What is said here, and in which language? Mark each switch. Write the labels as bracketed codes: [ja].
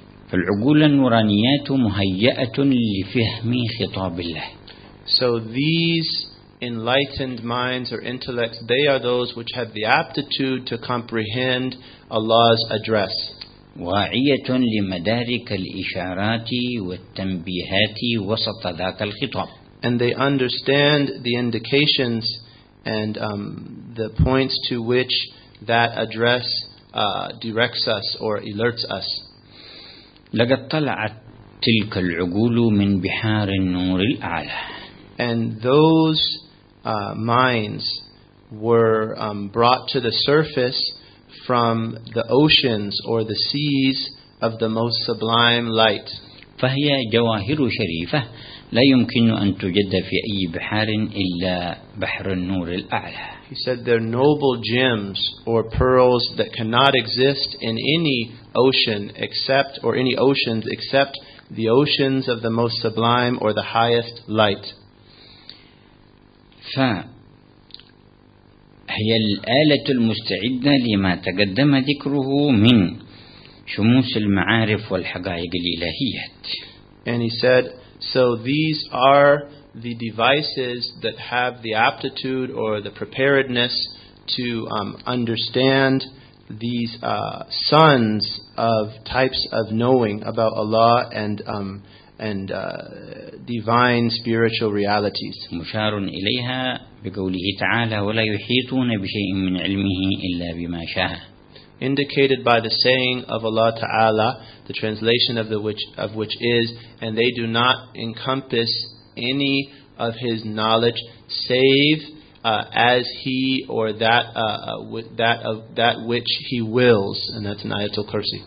[ar] فالعقول النورانيات مهيئة لفهم خطاب الله. [en] So these enlightened minds or intellects, they are those which have the aptitude to comprehend Allah's address. [ar] واعية لمدارك الإشارات والتنبيهات وسط ذاك الخطاب. [en] And they understand the indications and the points to which that address directs us or alerts us. [ar] لقد طلعت تلك العقول من بحار النور الأعلى. [en] And those minds were brought to the surface from the oceans or the seas of the most sublime light. [ar] فهي جواهر شريفة لا يمكن أن تجد في أي بحار إلا بحر النور الأعلى. [en] He said they're noble gems or pearls that cannot exist in any ocean except, or any oceans except the oceans of the most sublime or the highest light. [ar] فهي الآلة المستعدة لما تقدم ذكره من شموس المعارف والحقائق الإلهيات. [en] And he said, so these are the devices that have the aptitude or the preparedness to understand these sons of types of knowing about Allah and divine spiritual realities. [ar] مشار إليها بقوله تعالى ولا يحيطون بشيء من علمه إلا بما شاء. [en] Indicated by the saying of Allah Ta'ala, the translation of which is, and they do not encompass any of his knowledge save as he or that with that of that which he wills, and that's an ayatul kursi.